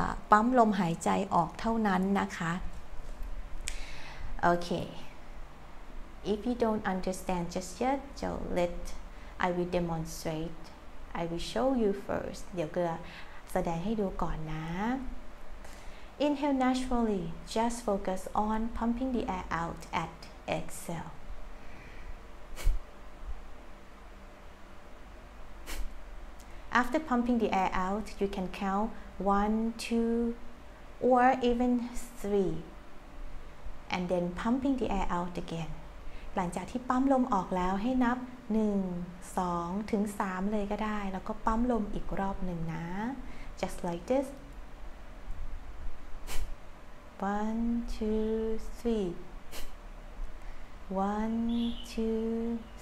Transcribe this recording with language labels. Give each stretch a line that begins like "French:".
Thai: ปั๊มลมหายใจออกเท่านั้นนะคะโอเค
English: If you don't understand just yet, so let I will demonstrate. I will show you first.
Thai: เดี๋ยวเกลือแสดงให้ดูก่อนนะ
English: Inhale naturally. Just focus on pumping the air out at exhale. After pumping the air out, you can count 1, 2, or even 3, and then pumping the air out again.
Thai: หลังจากที่ปั๊มลมออกแล้วให้นับ1 2ถึง3เลยก็ได้แล้วก็ปั๊มลมอีกรอบหนึ่งนะ
English: just like this
Thai: 1 2 3 1 2